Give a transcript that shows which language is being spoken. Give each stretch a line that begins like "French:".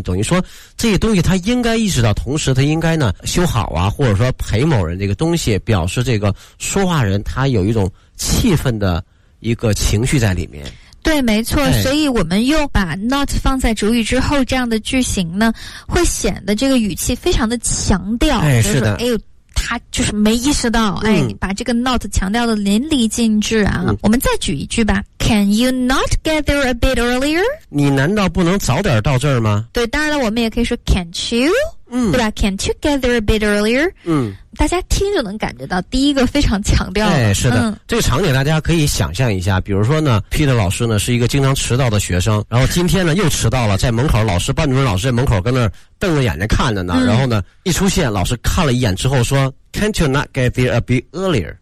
Chinese: 等于说这些东西他应该意识到，同时他应该呢修好啊，或者说赔某人这个东西，表示这个说话人他有一种气愤的一个情绪在里面。对，没错。所以我们又把 not 放在主语之后，这样的句型呢会显得这个语气非常的强调。是的，他就是没意识到，把这个 not 强调的淋漓尽致啊。我们再举一句吧。
English: Can you not get there a bit earlier?
Chinese: 你难道不能早点到这儿吗？对，当然了，我们也可以说
English: can't you?
Chinese: 对吧
English: ?can't you get there a bit earlier?
Chinese: 大家听就能感觉到第一个非常强调的。是的，这个场景大家可以想象一下，比如说呢 ,Peter 老师呢是一个经常迟到的学生，然后今天呢又迟到了，在门口老师班主任老师在门口跟那儿瞪着眼睛看着呢，然后呢一出现老师看了一眼之后说 ,
English: can't you not get there a bit earlier?